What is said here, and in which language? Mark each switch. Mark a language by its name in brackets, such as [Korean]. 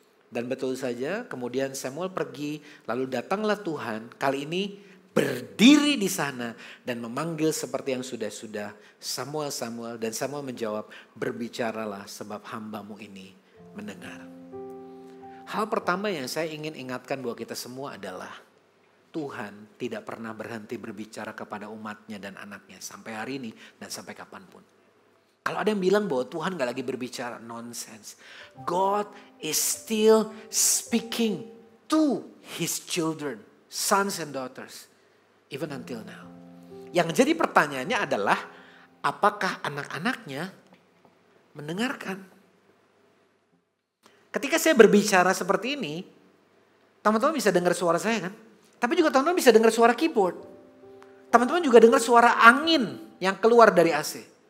[Indonesian] Dan betul saja kemudian Samuel pergi, lalu datanglah Tuhan kali ini berdiri di sana dan memanggil seperti yang sudah-sudah, Samuel, Samuel, dan Samuel menjawab, berbicaralah sebab hambamu ini mendengar. Hal pertama yang saya ingin ingatkan buat kita semua adalah Tuhan tidak pernah berhenti berbicara kepada umatnya dan anaknya sampai hari ini dan sampai kapanpun. Kalau ada yang bilang bahwa Tuhan gak lagi berbicara, nonsense. [English] God is still speaking to his children, sons and daughters. Even until now. [Indonesian] Yang jadi pertanyaannya adalah, apakah anak-anaknya mendengarkan? Ketika saya berbicara seperti ini, teman-teman bisa dengar suara saya kan? Tapi juga teman-teman bisa dengar suara keyboard. Teman-teman juga dengar suara angin yang keluar dari AC.